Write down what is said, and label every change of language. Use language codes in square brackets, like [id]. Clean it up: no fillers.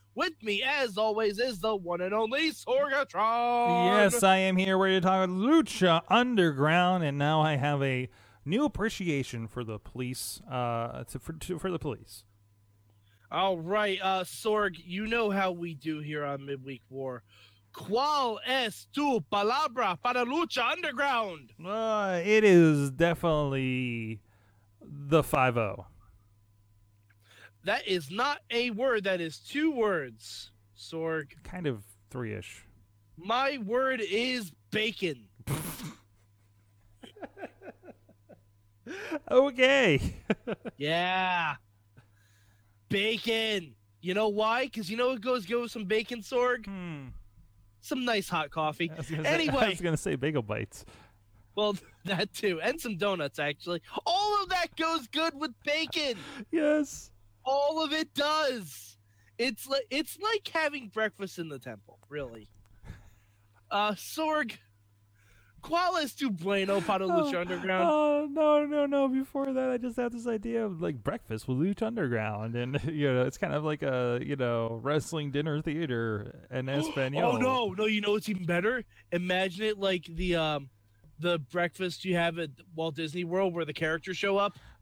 [en] With me, as always, is the one and only Sorgatron. Yes, I am here. We're here to talk about Lucha Underground, and now I have a new appreciation for the police. For the police. All right, Sorg, you know how we do here on Midweek War. [es] ¿Cuál es tu palabra para Lucha Underground? [en] It is definitely the 5-0. That is not a word. That is two words, Sorg. Kind of three-ish. My word is bacon. Okay. Yeah. Bacon. You know why? Because you know what goes good with some bacon, Sorg? Hmm. Some nice hot coffee. I was going to say bagel bites. Well, that too. And some donuts, actually. All of that goes good with bacon. Yes. All of it does. It's like having breakfast in the temple, really. [es] Sorg, ¿cuál es tu bueno para Lucha Underground? [en] No. Before that, I just had this idea of, like, breakfast with Lucha Underground. And, you know, it's kind of like a, you know, wrestling dinner theater in Espanol. Oh, no. You know what's even better? Imagine it like the breakfast you have at Walt Disney World where the characters show up.